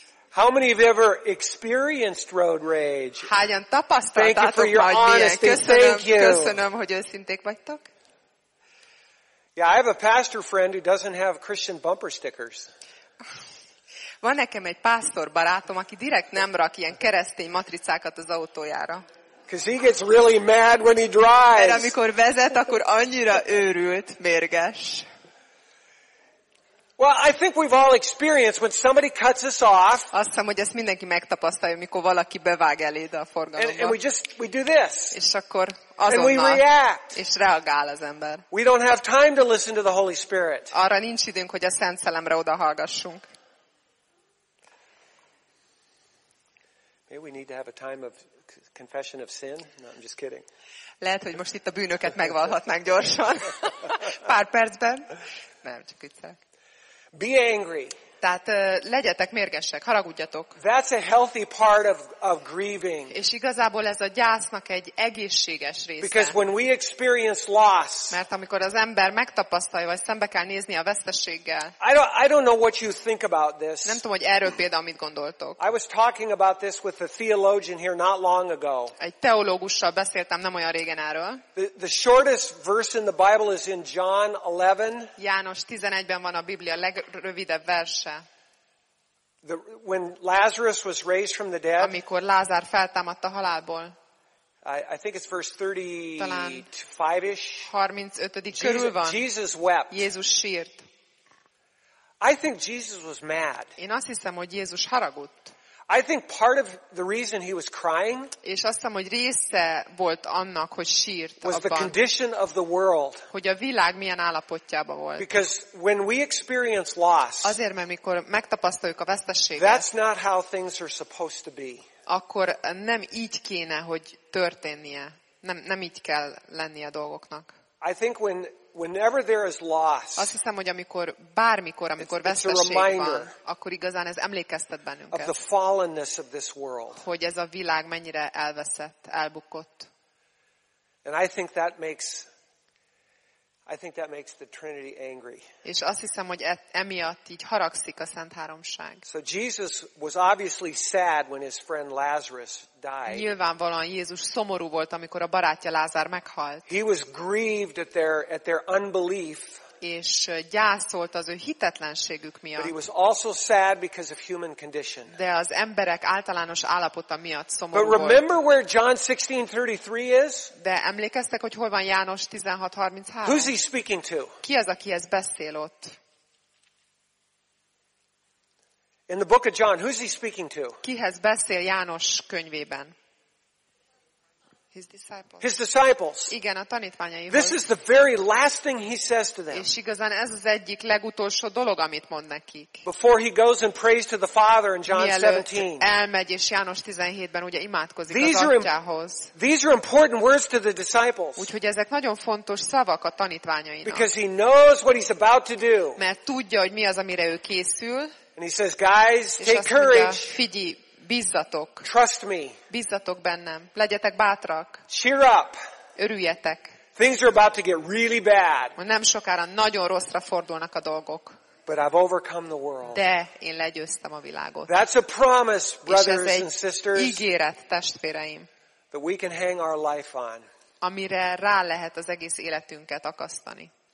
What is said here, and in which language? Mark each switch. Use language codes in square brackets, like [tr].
[en] How many have ever experienced road rage? [hu] Hányan tapasztaltátok már ilyet? Köszönöm, hogy őszinték vagytok. [en] Yeah, I have a pastor friend who doesn't have Christian bumper stickers. [hu] Van nekem egy pásztor barátom, aki direkt nem rak ilyen keresztény matricákat az autójára. [en] Because he gets really mad when he drives. [hu] Mert amikor vezet, akkor annyira őrült, mérges. [en] Well, I think we've all experienced when somebody cuts us off. [hu] Azt hiszem, hogy ezt mindenki megtapasztalja, mikor valaki bevág eléd a forgalomba. [en] And we do this. [hu] És akkor azonnal. És reagál az ember. [en] We don't have time to listen to the Holy Spirit. [hu] Arra nincs időnk, hogy a Szent Szellemre oda hallgassunk. [en] Maybe we need to have a time of confession of sin. No, I'm just kidding. [hu] Lehet, hogy most itt a bűnöket megvallhatnánk gyorsan. Pár percben. Nem, csak viccelek. [en] Be angry. [hu] Tehát legyetek mérgesek, haragudjatok. [en] That's a healthy part of grieving. [hu] És igazából ez a gyásznak egy egészséges része. [en] Because when we experience loss. [hu] Mert amikor az ember megtapasztalja, vagy szembe kell nézni a veszteséggel. [en] I don't know what you think about this. [hu] Nem tudom, hogy erről például mit gondoltok. [en] I was talking about this with a theologian here not long ago. [hu] Egy teológussal beszéltem nem olyan régen erről. [en] The shortest verse in the Bible is in John 11. [hu] János 11-ben van a Biblia legrövidebb vers. [en] When Lazarus was raised from the dead. [hu] Amikor Lázár feltámadt a halálból. [en] I think it's verse 35-ish. [hu] 35. körül van. [en] Jesus wept. [hu] Jézus sírt. [en] I think Jesus was mad. [hu] Én azt hiszem, hogy Jézus haragudt. [en] I think part of the reason he was crying. [hu] És azt hiszem, hogy része volt annak, hogy sírt [en] abban. Was the condition of the world. [hu] Hogy a világ milyen állapotjában volt. [en] Because when we experience loss. [hu] Azért, mert amikor megtapasztaljuk a veszteséget. [en] That's not how things are supposed to be. [hu] Akkor nem így kéne, hogy történnie. Nem így kell lennie a dolgoknak. [en] I think whenever there is loss. [hu] Azt hiszem, hogy amikor veszteség van, akkor igazán ez emlékeztet bennünket. [en] Of the fallenness of this world. [hu] Hogy ez a világ mennyire elveszett, elbukott. [en] And I think that makes I think that makes the Trinity angry. [hu] És azt hiszem, hogy emiatt így haragszik a Szent Háromság. [en] So Jesus was obviously sad when his friend Lazarus died. [hu] Nyilvánvalóan Jézus szomorú volt, amikor a barátja Lázár meghalt. [en] He was grieved at their unbelief. [hu] És gyászolt az ő hitetlenségük miatt. [en] But he was also sad because of human condition. [hu] De az emberek általános állapota miatt szomorú volt. [en] But remember where John 16:33 is? [hu] De emlékeztek, hogy hol van János 16:33? [en] Who's he speaking to? [hu] Ki az, akihez beszél ott? [en] In the book of John, who's he speaking to? [hu] Kihez beszél János könyvében? [en] His disciples. His disciples. [hu] Igen, a tanítványaihoz. [en] This is the very last thing he says to them. [hu] És igazán ez az egyik legutolsó dolog, amit mond nekik. [en] Before he goes and prays to the Father in John 17. [hu] Mielőtt elmegy és János 17-ben ugye imádkozik az Atyához. [en] These are important words to the disciples. [hu] Úgyhogy ezek nagyon fontos szavak a tanítványainak. [en] Because he knows what he's about to do. [hu] Mert tudja, hogy mi az, amire ő készül. [en] And he says, guys, take courage. [hu] Bízzatok. [en] Trust me. [hu] Bízzatok bennem. Legyetek bátrak. [en] Cheer up. [hu] Örüljetek. [en] Things are about to get really bad. [hu] Nem sokára nagyon rosszra fordulnak a dolgok. [en] But I've overcome the world. [hu] De én legyőztem a világot. [en] That's a promise, brothers [hu] és ez egy [en] and sisters. [hu] Ígéret, testvéreim. [en] That we can hang our life on. [hu] Amire rá lehet az egész életünket akasztani.